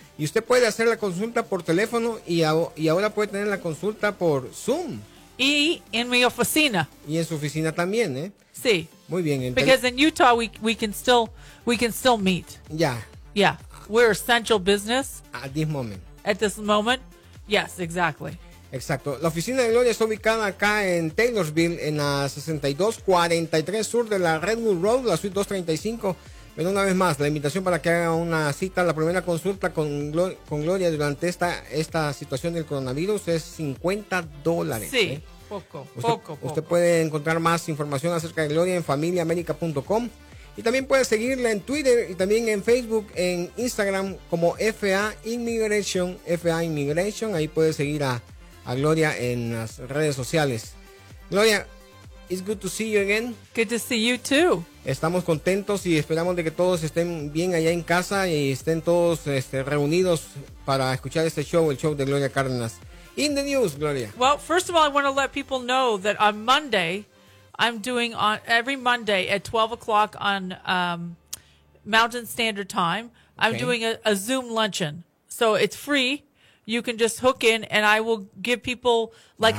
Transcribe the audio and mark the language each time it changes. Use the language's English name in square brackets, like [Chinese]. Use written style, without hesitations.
[Spanish] Y usted puede hacer la consulta por teléfono y ahora puede tener la consulta por Zoom. Y en mi oficina. Y en su oficina también, ¿eh? Sí. Muy bien. [English] Because in Utah we can still meet. Yeah. Yeah. We're essential business. At this moment. At this moment. Yes, exactly. [Spanish] Exacto. La oficina de Gloria está ubicada acá en Taylorsville, en la 6243 sur de la Redwood Road, la suite 235. Pero una vez más, la invitación para que haga una cita, la primera consulta con Gloria durante esta situación del coronavirus es $50. Sí, poco. Usted puede encontrar más información acerca de Gloria en familiaamerica.com y también puede seguirla en Twitter y también en Facebook, en Instagram como FA Inmigration. Ahí puede seguir a Gloria en las redes sociales. [English] Gloria, it's good to see you again. Good to see you too. [Spanish] Estamos contentos y esperamos de que todos estén bien allá en casa y estén todos reunidos para escuchar este show, el show de Gloria Cárdenas. [English] In the news, Gloria. Well, first of all, I want to let people know that on Monday, I'm doing on every Monday at 12 o'clock on Mountain Standard Time, I'm doing a Zoom luncheon. So it's free. You can just hook in and I will give people, like